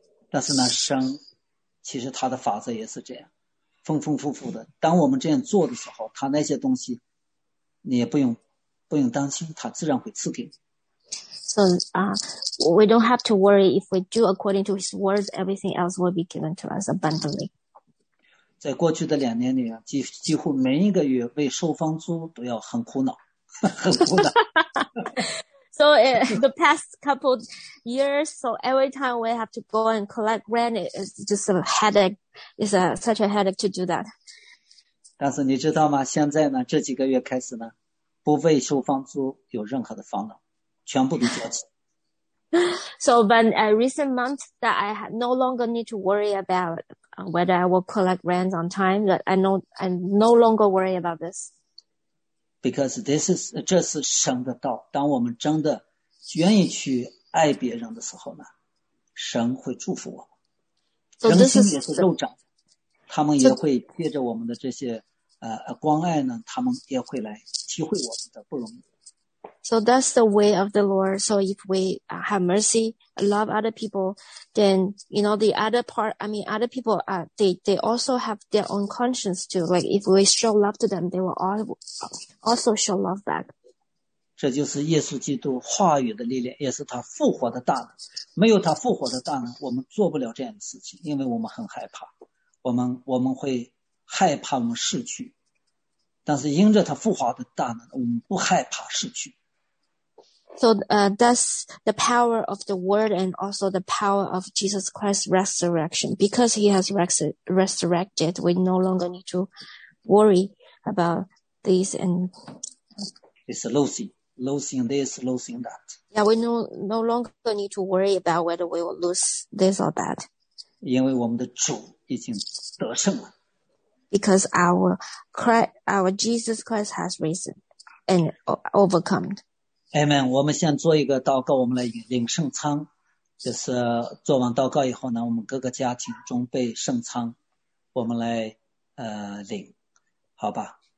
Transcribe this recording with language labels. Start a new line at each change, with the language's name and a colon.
Chinese: 但是呢，生其实它的法则也是这样，丰丰富富的。当我们这样做的时候，它那些东西你也不用担心，它自然会赐给你。
English: So, we don't have to worry if we do according to His words. Everything else will be given to us abundantly.
Chinese: 在过去的两年里啊，几乎每一个月为收房租都要很苦恼，很苦恼。
English: So the past couple years, so every time we have to go and collect rent, it's just a headache. It's such a headache to do that.
Chinese: 但是你知道吗？现在呢，这几个月开始呢，不为收房租有任何的烦恼。
English: So, but a recent month that I had no longer need to worry about whether I will collect rent on time, that I no longer worry about this. Because this is
Chinese: 神的道。当我们真的愿意去爱别人的时候呢，神会祝福我们。人心也是肉长的，他们也会借着我们的这些关爱呢，他们也会来体会我们的不容易。
English: So that's the way of the Lord. So if we have mercy, love other people, then, you know, other people, they also have their own conscience too. Like if we show love to them, they will also show love back.
Chinese: 这就是耶稣基督话语的力量，也是他复活的大能。没有他复活的大能，我们做不了这样的事情，因为我们很害怕。我们会害怕我们失去。但是因着他复活的大能，我们不害怕失去。
English: So, that's the power of the word and also the power of Jesus Christ's resurrection. Because he has resurrected, we no longer need to worry about this and. It's losing this, losing that. Yeah, we no longer need to worry about whether we will lose this or that.
Chinese: 因为我们的主已经得胜了。
English: Because our Jesus Christ has risen and overcome. Amen.
Chinese: 我们先做一个祷告，我们来领圣餐。就是做完祷告以后呢，我们各个家庭准备圣餐，我们来领，好吧？